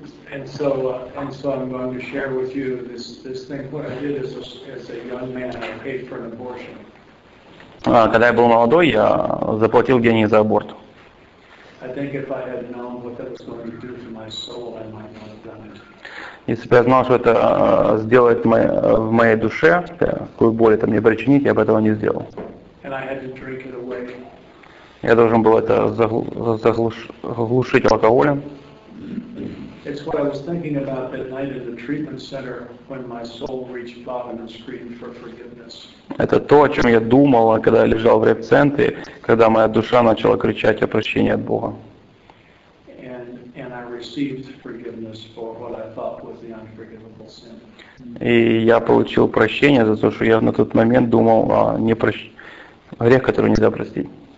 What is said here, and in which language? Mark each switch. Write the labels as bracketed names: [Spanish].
[English] And so I'm going to share with you this thing. What I did as a young man, I paid for an abortion. [Russian] Когда я был молодой, я заплатил деньги за аборт. [English] I think if I had known what that was going to do to my soul, I might not have done it. [Russian] Если бы я знал, что это сделает в моей душе, какую боль это мне причинит, я бы этого не сделал. [English] And I had to drink it away. [Russian] Я должен был это заглушить алкоголем. [English] It's what I was thinking about that night in the treatment center when my soul reached bottom and screamed for forgiveness. [Russian] Это то, о чем я думал, когда я лежал в реабцентре, когда моя душа начала кричать о прощении от Бога. [English] And I received forgiveness for what I thought was the unforgivable sin. [Russian] И я получил прощение за то, что я на тот момент думал о грех, который нельзя простить.